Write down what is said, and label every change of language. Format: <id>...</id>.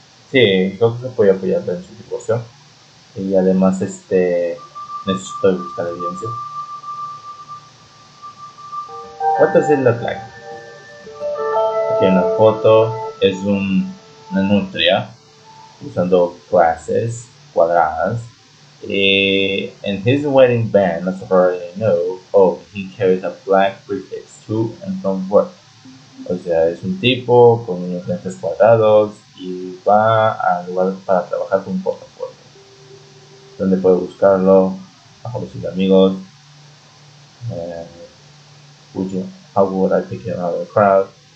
<es>Sí, creo que se puede apoyar en su divorcio. Y además, necesito buscar evidencia.</es> <en>What does it look like?</en> <es>Aquí en la foto es una nutria usando glasses cuadradas. Y en</es> <en>his wedding band, as far as I know, oh, he carries a black briefcase to and from work.</en> <es>O sea, es un tipo con unos lentes cuadrados y va al lugar para trabajar con un portafolio. ¿Dónde puede buscarlo? Bajo los amigos.</es> <en>How would I pick him out of the crowd?</en>